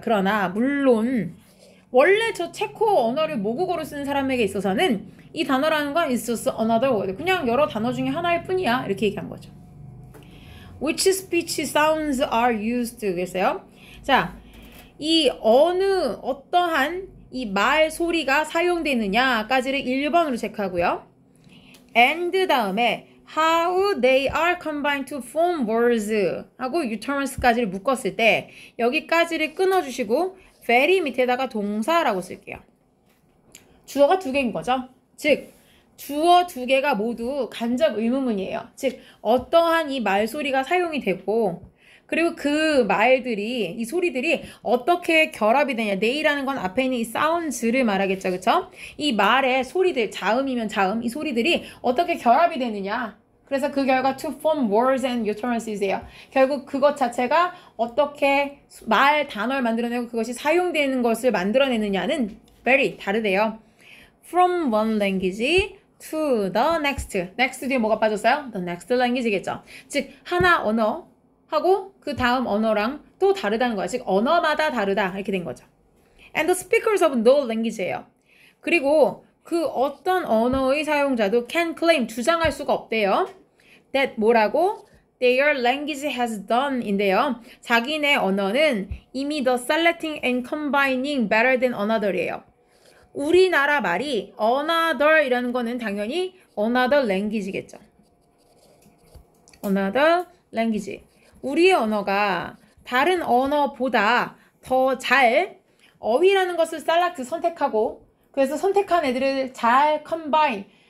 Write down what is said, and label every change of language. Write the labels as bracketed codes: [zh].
[ko] 그러나, 물론, 원래 저 체코 언어를 모국어로 쓰는 사람에게 있어서는 이 단어라는 건 [en] it's just another word. [ko] 그냥 여러 단어 중에 하나일 뿐이야. 이렇게 얘기한 거죠. [en] Which speech sounds are used? [ko] 그랬어요. 자, 이 어느, 어떠한 이말 소리가 사용되느냐까지를 1번으로 체크하고요. And 다음에 [en] how they are combined to form words [ko] 하고 utterance까지를 묶었을 때 여기까지를 끊어주시고 very 밑에다가 동사라고 쓸게요. 주어가 두 개인 거죠. 즉, 주어 두 개가 모두 간접 의문문이에요. 즉, 어떠한 이 말소리가 사용이 되고, 그리고 그 말들이, 이 소리들이 어떻게 결합이 되냐. they라는 건 앞에 있는 이 sounds를 말하겠죠. 그쵸? 이 말의 소리들, 자음이면 자음, 이 소리들이 어떻게 결합이 되느냐. 그래서 그 결과 [en] to form words and utterances예요. [ko] 결국 그것 자체가 어떻게 말 단어를 만들어내고 그것이 사용되는 것을 만들어내느냐는 very 다르대요. [en] From one language to the next. [ko] next 뒤에 뭐가 빠졌어요? [en] the next language겠죠. [ko] 즉 하나 언어하고 그 다음 언어랑 또 다르다는 거야. 즉 언어마다 다르다 이렇게 된 거죠. [en] And the speakers of no language예요. [ko] 그리고 그 어떤 언어의 사용자도 [en] can claim [ko] 주장할 수가 없대요. That 뭐라고? [en] Their language has done 인데요. [ko] 자기네 언어는 이미 [en] the selecting and combining better than another이에요. [ko] 우리나라 말이 another 이라는 거는 당연히 another language겠죠. [en] another language. [ko] 우리의 언어가 다른 언어보다 더잘 어휘라는 것을 select 선택하고 그래서 선택한 애들을 잘 combine